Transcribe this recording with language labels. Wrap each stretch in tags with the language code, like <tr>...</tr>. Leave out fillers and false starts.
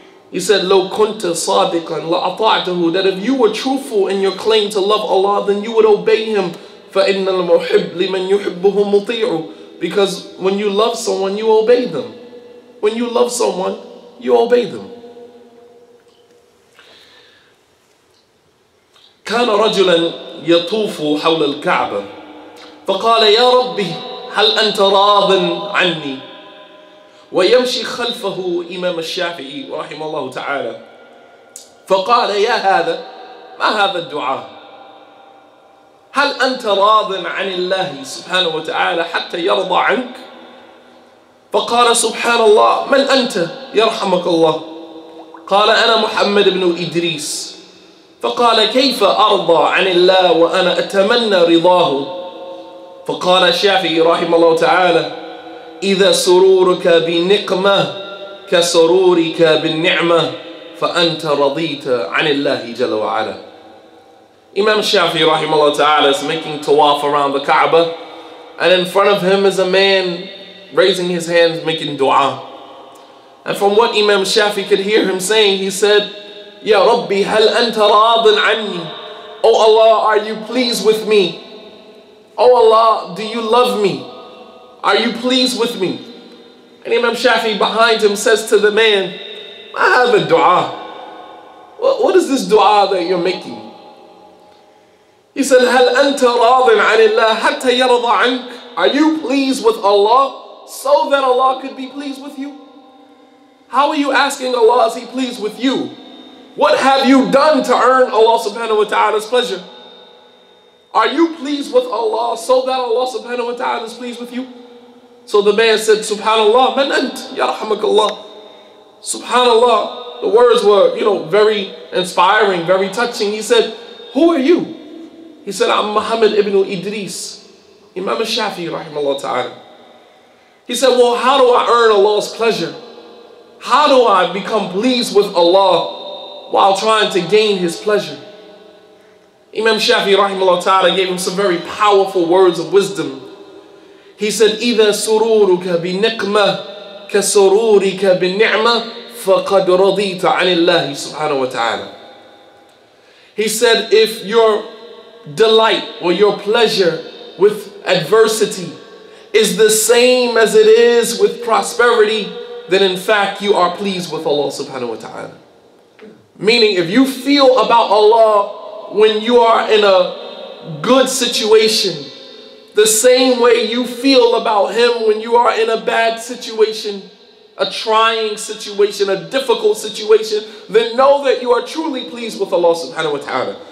<en>He said,</en> <ar>"Lo kunta sadiqan la ata'tahu,"</ar> <en>that if you were truthful in your claim to love Allah, then you would obey Him.</en> <ar>فَإِنَّ الْمُحِبُّ لِمَنْ يُحِبُّهُ مُطِيعُ.</ar> <en>Because when you love someone, you obey them. When you love someone, you obey them.</en> <ar>كان رجلا يطوف حول الكعبة فقال يا ربي هل أنت راض عني ويمشي خلفه إمام الشافعي رحمه الله تعالى فقال يا هذا ما هذا الدعاء هل أنت راض عن الله سبحانه وتعالى حتى يرضى عنك فقال سبحان الله من أنت يرحمك الله قال أنا محمد بن إدريس فقال كيف أرضى عن الله وأنا أتمنى رضاه فقال الشافعي رحمه الله تعالى إذا سرورك بنقمة كسرورك بالنعمة فأنت رضيت عن الله جل وعلا.</ar> <en>Imam Shafi رحمه الله تعالى is making tawaf around the Kaaba, and in front of him is a man raising his hands making dua. And from what Imam Shafi could hear him saying, he said,</en> <ar>يا ربي هل أنت راض عني؟</ar> <en>Oh Allah, are you pleased with me? Oh Allah, do you love me? Are you pleased with me? And Imam Shafi behind him says to the man, I have a dua. What is this dua that you're making?</en> <ar>He said, هَلْ أَنْتَ رَاضٍ عَنِ اللَّهِ حَتَّى يَرَضَ عَنْكَ.</ar> <en>Are you pleased with Allah so that Allah could be pleased with you? How are you asking Allah, is He pleased with you? What have you done to earn Allah subhanahu wa ta'ala's pleasure? Are you pleased with Allah so that Allah subhanahu wa ta'ala is pleased with you? So the man said, Subhanallah,</en> <ar>man ant, ya rahmakallah.</ar> <en>Subhanallah. The words were, you know, very inspiring, very touching. He said, who are you? He said, I'm Muhammad ibn Idris, Imam al-Shafi, rahimahullah ta'ala. He said, well, how do I earn Allah's pleasure? How do I become pleased with Allah while trying to gain His pleasure? Imam Shafi rahimahullah ta'ala gave him some very powerful words of wisdom.</en> <ar>He said, إِذَا سُرُورُكَ بِنِقْمَةِ كَسُرُورِكَ بِنِعْمَةِ فَقَدْ رَضِيتَ عَنِ اللَّهِ سُبْحَانَهُ وَتَعَالَى.</ar> <en>He said, if your delight or your pleasure with adversity is the same as it is with prosperity, then in fact you are pleased with Allah subhanahu wa ta'ala. Meaning, if you feel about Allah when you are in a good situation the same way you feel about Him when you are in a bad situation, a trying situation, a difficult situation, then know that you are truly pleased with Allah subhanahu wa ta'ala.</en>